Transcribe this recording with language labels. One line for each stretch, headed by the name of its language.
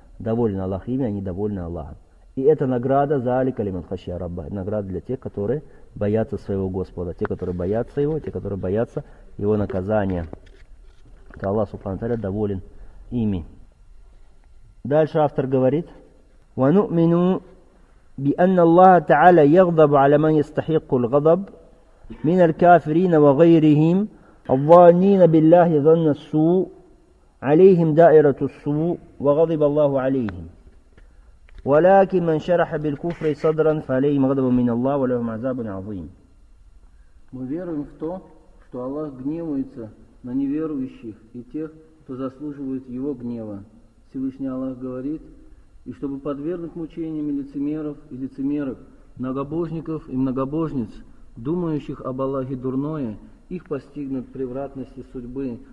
Russian: Доволен Аллах ими, они довольны Аллахом. И это награда за
Arabic: алика лиман хашия рабба.
Russian: Награда для тех, которые боятся своего Господа. Те, которые боятся его, те, которые боятся его наказания. Это Аллах субхану тааля доволен ими. Дальше автор говорит.
Arabic: وَنُؤْمِنُوا بِأَنَّ اللَّهَ تَعَالَى يَغْضَبُ عَلَى مَنْ يَسْتَحِقُّ الْغَضَبُ من الكافرين وغيرهم الظانين بالله ظن السوء عليهم دائرة السوء وغضب الله عليهم ولكن من شرح بالكفر صدرا فعليهم غضب من الله ولهم عذاب عظيم.
Russian: Мы веруем в то, что Аллах гневается на неверующих и тех, кто заслуживает его гнева. Всевышний Аллах говорит, и чтобы подвергнуть мучениям лицемеров и лицемерок, многобожников и многобожниц, думающих об Аллахе дурное, их постигнут превратности судьбы.